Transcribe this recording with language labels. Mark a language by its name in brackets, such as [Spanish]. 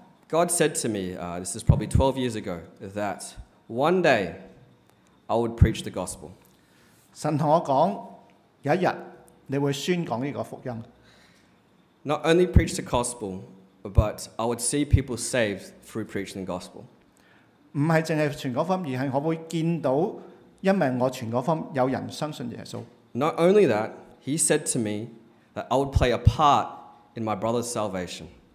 [English] God said to me, this is probably 12 years ago, that one day I would preach the gospel. [Chinese] 神跟我說, [English] not only preach the gospel, but I would see people saved through preaching the gospel. [Chinese] 不只是傳福音,而是我會見到因為我傳福音有人相信耶穌。 [English] Not only that, he said to me that I would play a part in my brother's salvation.